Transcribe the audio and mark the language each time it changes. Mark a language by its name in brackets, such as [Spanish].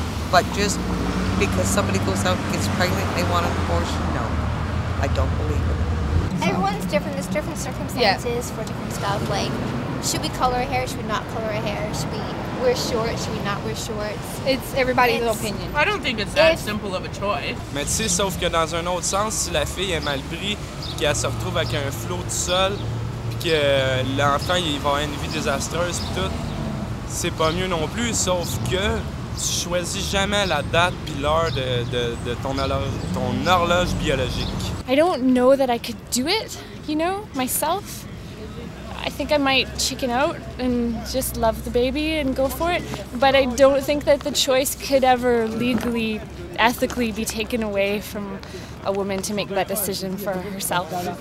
[English] But just because somebody goes out and gets pregnant, they want an abortion, no. I don't believe it. So. Everyone's different. There's different circumstances for different stuff. Like, should we color our hair? Should we not color our hair? Should we wear shorts? Should we not wear shorts? It's everybody's opinion. I don't think it's that simple of a choice. [French] Mais tu sais, sauf que dans un autre sens, si la fille est mal prise, puis qu'elle se retrouve avec un flot tout seul, puis que l'enfant, il va avoir une vie désastreuse, puis tout, c'est pas mieux non plus, sauf que tu choisis jamais la date puis l'heure de ton horloge biologique. [English] I don't know that I could do it, you know, myself. I think I might chicken out and just love the baby and go for it, but I don't think that the choice could ever legally, ethically be taken away from a woman to make that decision for herself.